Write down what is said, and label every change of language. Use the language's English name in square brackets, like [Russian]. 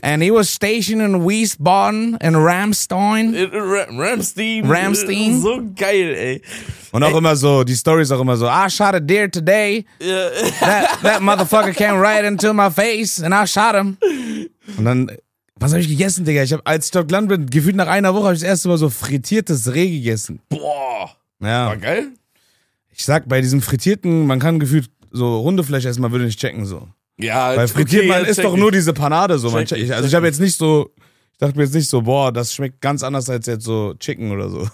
[English] And he was stationed in Wiesbaden in Ramstein. [German] Ramstein. So geil, ey. Und auch immer so, die Story ist auch immer so, [English] I shot a deer today. Yeah. That motherfucker came right into my face and I shot him. [German] Und dann, was habe ich gegessen, Digga? Ich hab, als ich dort gelandet bin, gefühlt nach einer Woche, habe ich das erste Mal so frittiertes Reh gegessen. Boah. Ja. War geil? Ich sag, bei diesem frittierten, man kann gefühlt so Hundefleisch erstmal, würde nicht checken, so. Ja, weil frittiert okay, man ist doch nur diese Panade so. Ich habe jetzt nicht so, ich dachte mir jetzt nicht so, boah, das schmeckt ganz anders als jetzt so Chicken oder so.